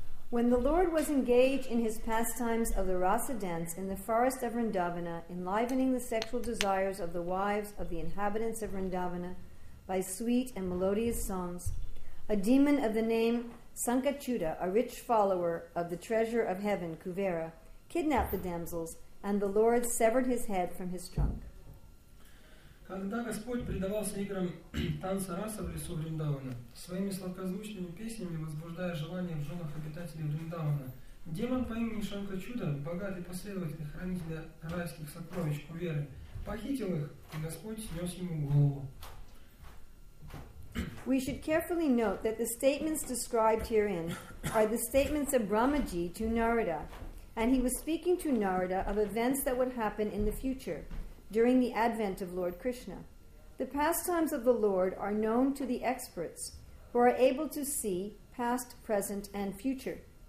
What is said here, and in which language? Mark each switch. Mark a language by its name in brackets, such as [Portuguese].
[English] When the Lord was engaged in his pastimes of the rasa dance in the forest of Vrindavana, enlivening the sexual desires of the wives of the inhabitants of Vrindavana by sweet and melodious songs, a demon of the name Sankachuta, a rich follower of the treasure of heaven, Kuvera, kidnapped the damsels, and the Lord severed his head from his trunk. [Russian] Когда Господь предавался играм танца раса в лесу Вриндавана, своими сладкозвучными песнями возбуждая желания в женах обитателей Вриндавана, демон по имени Шанкачуда, богатый последователь хранителя райских сокровищ Куверы, похитил их, и Господь снес ему голову. [English] We should carefully note that the statements described herein are the statements of Brahmaji to Narada, and he was speaking to Narada of events that would happen in the future, during the advent of Lord Krishna. The pastimes of the Lord are known to the experts who are able to see past, present, and future.